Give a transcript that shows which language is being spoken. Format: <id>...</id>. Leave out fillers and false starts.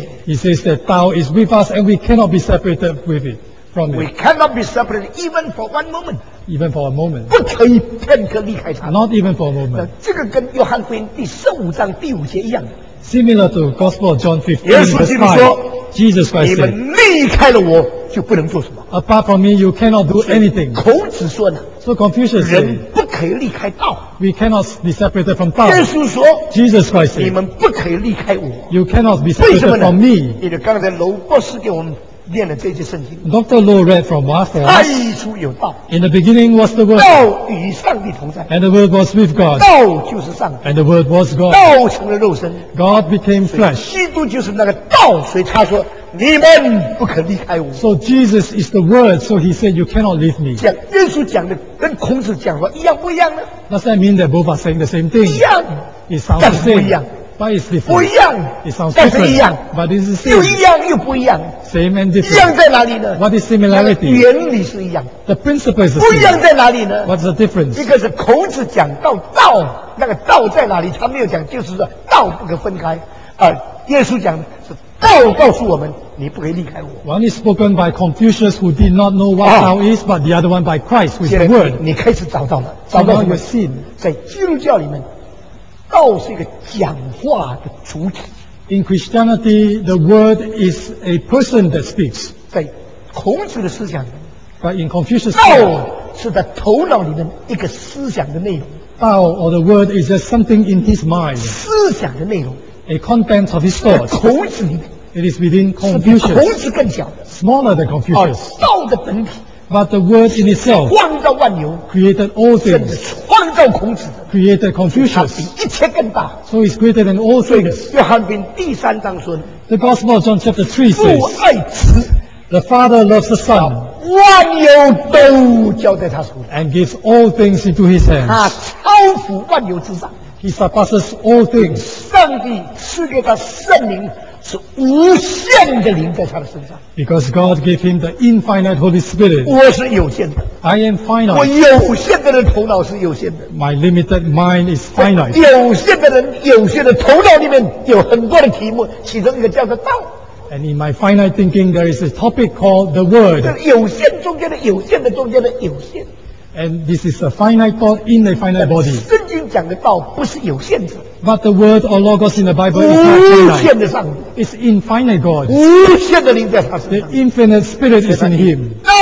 <en>he says that Tao is with us and we cannot be separated with it from it. We cannot be separated even for one moment. Even for a moment.</en> <zh>不可以片刻离开他,</zh> <en>not even for a moment.</en> <zh>这个跟约翰福音第十五章第五节一样,</zh> <en>similar to Gospel of John 15, Jesus Christ said,</en> <zh>你们离开了我, 就不能做什么,</zh> <en>apart from me, you cannot do anything.</en> <zh>孔子说呢,</zh> <en>so Confucius said,</en> <zh>人不可以离开道,</zh> <en>we cannot be separated from Tao.</en> <zh>耶稣说,</zh> <en>Jesus Christ said,</en> <zh>你们不可以离开我,</zh> <en>you cannot be separated from me.</en> <zh>因为刚才罗伯斯给我们念了这句圣经。</zh> <en>Dr. Low read from Master.</en> <zh>太初有道。</zh> <en>In the beginning was the word.</en> <zh>道与上帝同在。</zh> <en>And the word was with God.</en> <zh>道就是上帝。</zh> <en>And the word was God.</en> <zh>道成了肉身。</zh> <en>God became flesh.</en> <zh>基督就是那个道，所以他说你们不可离开我。</zh> <en>So Jesus is the word. So he said you cannot leave me.</en> <zh>讲耶稣讲的跟孔子讲的一样不一样呢？</zh> <en>Does that mean that both are saying the same thing?</en> <zh>一样。</zh> <en>It sounds the same.</en> <zh>不一样。</zh> <en>But it's different.</en> <zh>不一样，</zh> <en>it sounds different,</en> <zh>但是一样。</zh> <en>But this is same.</en> <zh>又一样又不一样。</zh> <en>Same and different.</en> <zh>一样在哪里呢？</zh> <en>What is similarity?</en> <zh>原理是一样。</zh> <en>The principle is the</en> <zh>same. 不一样在哪里呢？</zh> <en>What's the difference?</en> <zh>Because 孔子讲到道，那个道在哪里？他没有讲，就是说道不可分开。耶稣讲是道告诉我们，你不可以离开我。</zh> <en>One is spoken by Confucius who did not know what道is, but the other one by Christ with the word.</en> <zh>你开始找到了，找到什么？</zh> <en>You see,</en> <zh>在基督教里面。道是一个讲话的主体。</zh> <en>In Christianity, the word is a person that speaks.</en> <zh>在孔子的思想里面。</zh> <en>But in Confucius,</en> <zh>道是在头脑里面一个思想的内容。</zh> <en>道 or the word is just something in his mind.</en> <zh>思想的内容。</zh> <en>A content of his thoughts.</en> <zh>在孔子里面。</zh> <en>It is within Confucius.</en> <zh>是比孔子更小的。</zh> <en>Smaller than Confucius.</en> <zh>道的本体。</zh> <en>But the word in itself</en> <zh>创造万有</zh> <en>created all things</en> <zh>甚至创造孔子</zh> <en>created Confucius</en> <zh>比一切更大</zh> <en>so it's greater than all things</en> <zh>约翰福音第三章说</zh> <en>the gospel of John chapter 3 says</en> <zh>父爱子</zh> <en>the father loves the son</en> <zh>万有都交在他手里</zh> <en>and gives all things into his hands</en> <zh>他超乎万有之上</zh> <en>he surpasses all things</en> <zh>上帝赐给他圣灵是无限的灵在他的身上。</zh> <en>Because God gave him the infinite Holy Spirit.</en> <zh>我是有限的。</zh> <en>I am finite.</en> <zh>我有限的人头脑是有限的。</zh> <en>My limited mind is finite.</en> <zh>有限的人有限的头脑里面有很多的题目，其中一个叫做道。</zh> <en>And in my finite thinking, there is a topic called the Word.</en> <zh>有限中间的有限的中间的有限。</zh> <en>And this is a finite thought in a finite body.</en> <zh>圣经讲的道不是有限的。</zh> <en>But the word or logos in the Bible is not finite. It's infinite God. The infinite spirit is in him.</en>